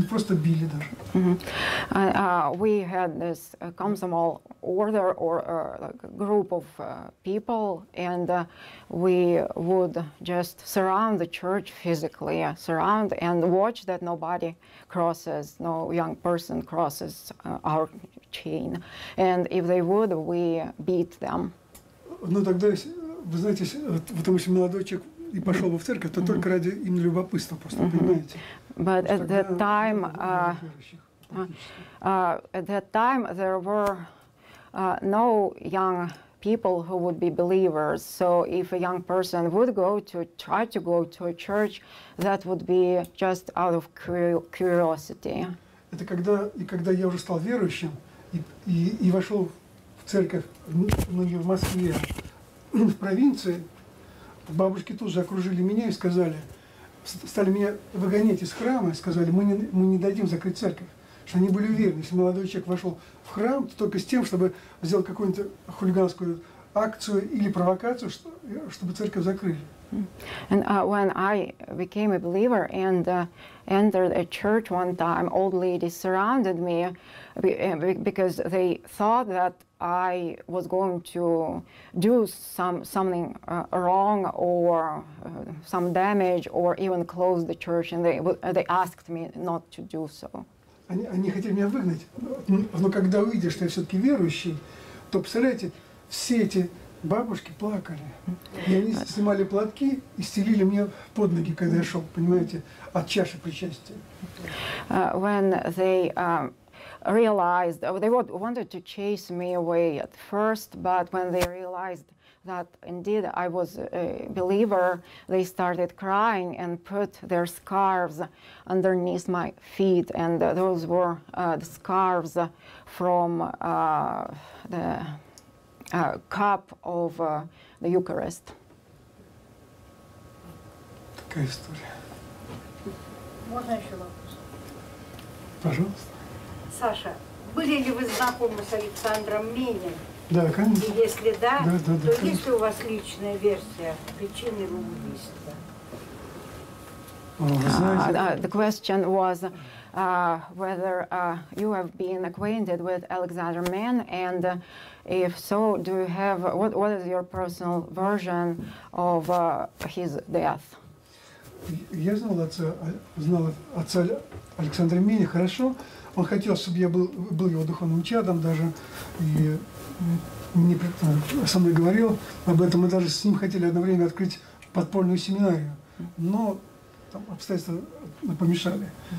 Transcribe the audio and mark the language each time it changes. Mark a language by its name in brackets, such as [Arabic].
[English] We had this Komsomol order or like a group of people, and we would just surround the church physically, surround and watch that nobody crosses, no young person crosses our chain, and if they would, we beat them. [Russian] Ну тогда, вы знаете, потому что молодой человек и пошел бы в церковь, то только ради им любопытства, просто понимаете. [English] But at that time, at that time there were no young people who would be believers. So if a young person would try to go to a church, that would be just out of curiosity. [Russian] Это когда я уже стал верующим и вошел в церковь, но не в Москве, в провинции. Бабушки тут же окружили меня и сказали, стали меня выгонять из храма и сказали, мы не дадим закрыть церковь. Что они были уверены, если молодой человек вошел в храм, то только с тем, чтобы сделать какую-нибудь хулиганскую акцию или провокацию, чтобы церковь закрыли. [English] And when I became a believer and entered a church one time, old ladies surrounded me because they thought that I was going to do something wrong or some damage or even close the church, and they asked me not to do so. [Russian] Они хотели меня выгнать, но когда увидели, что я все-таки верующий, то, представляете, все эти бабушки плакали. И они снимали платки и стелили мне под ноги, когда я шел, понимаете, от чаши причастия. [English] When they realized, they wanted to chase me away at first, but when they realized that indeed I was a believer, they started crying and put their scarves underneath my feet. And those were the scarves from the cup of the Eucharist. [Russian] Такая история. Можно еще вопрос? Пожалуйста. Саша, были ли вы знакомы с Александром Мине? Да, конечно. И если да, да, то есть ли у вас личная версия причины его убийства? [English] The question was whether you have been acquainted with Alexander Mann, and if so, do you have what is your personal version of his death? [Russian] Я знал отца Александра Мэна хорошо. Он хотел, чтобы я был его духовным чадом даже, и мне со мной говорил об этом. Мы даже с ним хотели одно время открыть подпольную семинарию, но обстоятельства помешали.